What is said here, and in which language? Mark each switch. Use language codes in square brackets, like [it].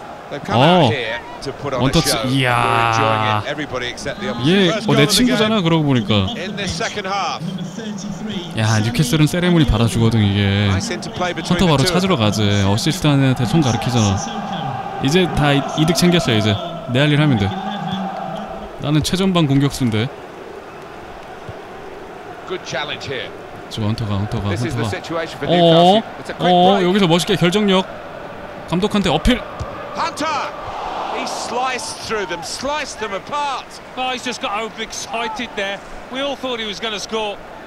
[en] They've come out here to put on 원터치. A show. They're enjoying it. Except the [ko] 얘, 내 친구잖아 그러고 보니까. [en] In the second half. [ko] 야, 뉴캐슬은 세레모니 받아주거든 이게. 헌터 바로 찾으러 가지. 어시스트한 애한테 손 가르키잖아. 이제 다 이득 챙겼어 이제. 내 할 일 하면 돼. 나는 최전방 공격수인데. 저 헌터가. 어어 여기서 멋있게 결정력. 감독한테 어필. [en] Hunter, he sliced through them, sliced them apart. Oh, he's just got overexcited there. We all thought he was going to score.